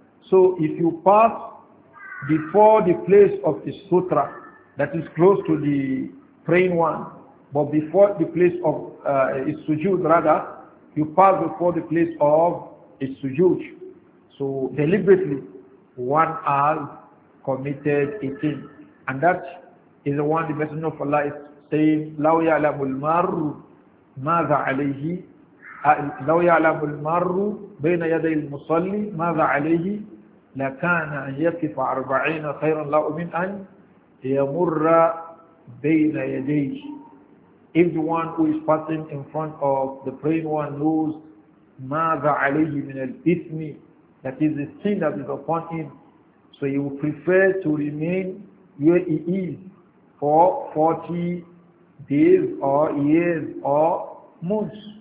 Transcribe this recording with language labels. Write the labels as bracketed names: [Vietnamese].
[English] So if you pass before the place of the sutra that is close to the praying one, but before the place of his sujood rather, you pass before the place of his sujood, so deliberately one has committed a sin. And that is the one the Messenger of Allah is saying, [Arabic] لَوْ يَعْلَمُ الْمَرُّ مَاذَا عَلَيْهِ لَوْ يَعْلَمُ الْمَرُّ بَيْنَ يَدَيْ الْمُصَلِّي مَاذَا عَلَيْهِ لَكَانَ أَنْ يَكِفَ أَرْبَعِينَ خَيْرًا لَهُ مِنْ أَنْ يَمُرَّ بَيْنَ يَدَيْهِ. [English] If the one who is passing in front of the praying one knows [Arabic] مَاذَا عَلَيْهِ مِنَ الْإِثْمِ, [English] that is the sin that is upon him, so he will prefer to remain where he is for 40 days or years or months.